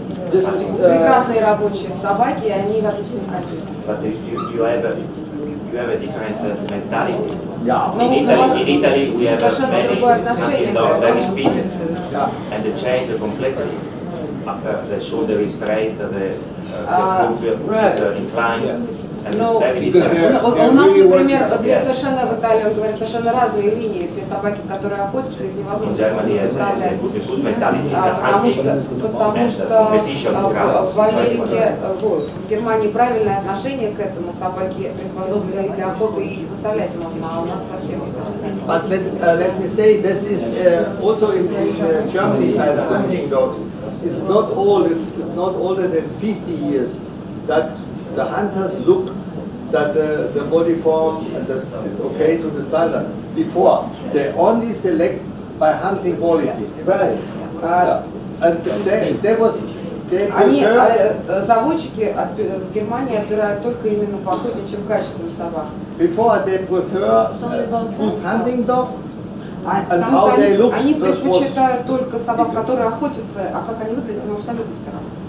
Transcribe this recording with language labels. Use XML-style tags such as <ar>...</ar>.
<en>This is</en> <ru>прекрасные рабочие собаки, они в отличном</ru> <en>качестве. But you have a different mentality. Yeah. In Italy, we have a very hunting dog, very speedy, and the change completely. The shoulder is straight, the inclined.</en> <ru>У нас, например, две совершенно в Италии, он говорит, совершенно разные линии. Те собаки, которые охотятся, их невозможно. В Германии правильное отношение к этому. Собаки приспособлены для охоты и выставлять можно, а у нас совсем не так.</ru> <en>But let me say, this is also in Germany, the hunting dogs. It's not all, it's not older than 50 years that the hunters look that the body form and that is okay to the standard. Before, they only select by hunting quality. Right. And there was...</en> <ru>Они, заводчики от, в Германии отбирают только именно по охотничьим качествам собак.</ru> <en>Before they prefer good hunting dog and how</en> <ru>они,</ru> <en>they look.</en> <ru>Они предпочитают только собак, которые охотятся, а как они выглядят, им абсолютно все равно.</ru>